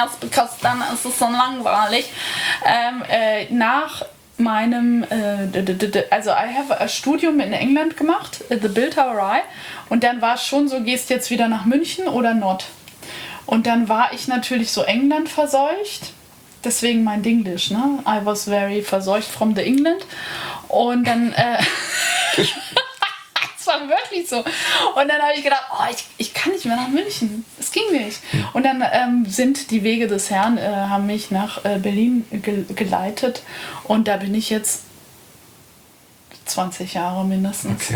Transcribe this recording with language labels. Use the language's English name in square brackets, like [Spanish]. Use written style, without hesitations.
[English] because [German] dann ist es so langweilig. Nach meinem, also [English] I have a [German] Studium in England gemacht, The Bildhauerei, right? Und dann war es schon so, gehst jetzt wieder nach München oder not? Und dann war ich natürlich so England verseucht, deswegen mein Dinglish, ne? [English] I was very verseucht from the England. [German] Und dann, das war wirklich so. Und dann habe ich gedacht, oh, ich kann nicht mehr nach München. Es ging nicht. Und dann sind die Wege des Herrn, haben mich nach Berlin geleitet. Und da bin ich jetzt 20 Jahre mindestens.